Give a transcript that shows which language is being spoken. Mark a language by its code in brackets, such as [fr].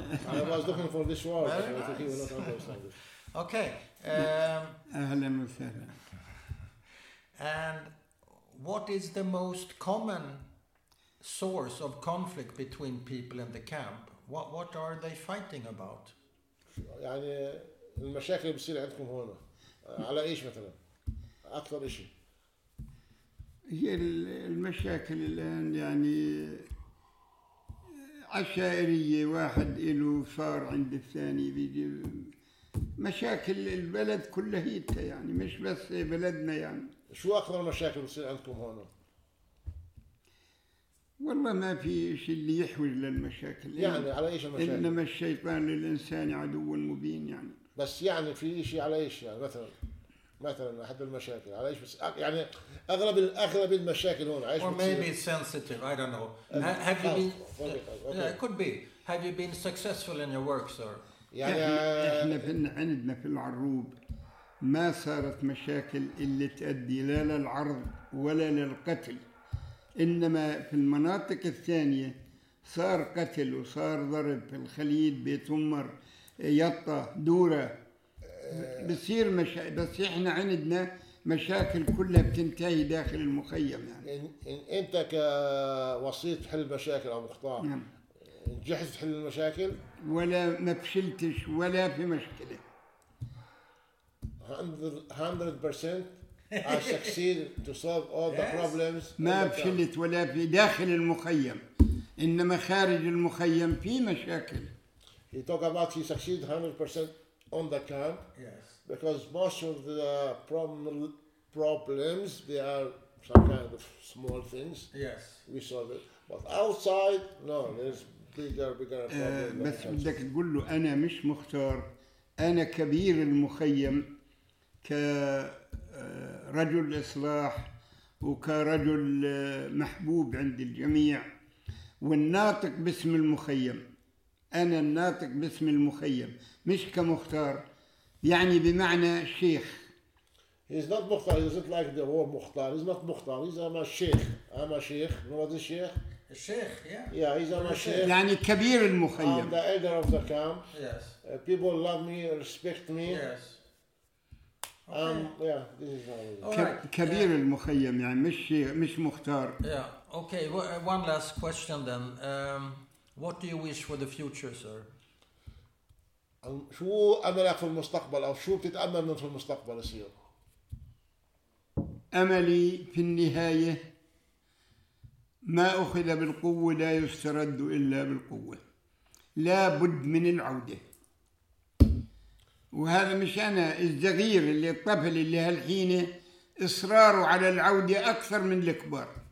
[en] I was looking for this word. Very nice. Okay. [ar] أهلا وسهلا. [en] And what is the most common source of conflict between people in the camp? What are they fighting about? [ar] يعني المشاكل اللي بتصير عندكم هنا على ايش مثلا اكثر شيء هي المشاكل الان يعني عشائريه واحد له صار عند الثاني بيجي مشاكل البلد كلها يعني مش بس بلدنا يعني شو اكثر مشاكل بتصير عندكم هنا والله ما في شيء اللي يحول للمشاكل يعني على ايش المشاكل انما الشيطان للانسان عدو مبين يعني بس يعني في شيء على ايش يعني مثلا احد المشاكل على ايش بس يعني اغلب المشاكل هون عايش [en] Or maybe it's sensitive I don't know have you been okay. could be have you been successful in your work sir [ar] يعني احنا في عندنا في العروب ما صارت مشاكل اللي تؤدي لا للعرض ولا للقتل إنما في المناطق الثانية صار قتل وصار ضرب في الخليل بيت أمر يطة دورة بصير مشاكل بس إحنا عندنا مشاكل كلها بتنتهي داخل المخيم يعني إن أنت كوسيط حل المشاكل أبو خطار نعم. جهزت حل المشاكل ولا ما فشلتش ولا في مشكلة [en] 100% I succeed to solve all the problems. [ar] ما فشلت ولا في داخل المخيم إنما خارج المخيم في مشاكل. [en] He talk about he succeed 100% on the camp. Yes. Because most of the problems they are some kind of small things. Yes. We solve it. But outside, no, there's bigger problems. [ar] بس بدك تقول له أنا مش مختار أنا كبير المخيم ك. رجل إصلاح وكرجل محبوب عند الجميع والناطق باسم المخيم أنا الناطق باسم المخيم مش كمختار يعني بمعنى شيخ [en] He's not مختار He's not like the word مختار He's not مختار He's I'm a sheikh I'm a sheikh What is the sheikh? [ar] الشيخ [en] يا yeah. yeah, he's a sheikh [ar] يعني كبير المخيم [en] I'm the elder of the camp Yes People love me respect me Yes Okay. Yeah, this is all right. [ar] كبير yeah. المخيم يعني مش مختار. [en] Yeah. Okay. One last question then. What do you wish for the future, sir? [ar] شو أملك في المستقبل أو شو بتتأمل من في المستقبل سير؟ أملي في النهاية ما أخذ بالقوة لا يسترد إلا بالقوة. لا بد من العودة. وهذا مش أنا الصغير اللي الطفل اللي هالحين إصراره على العودة أكثر من الكبار.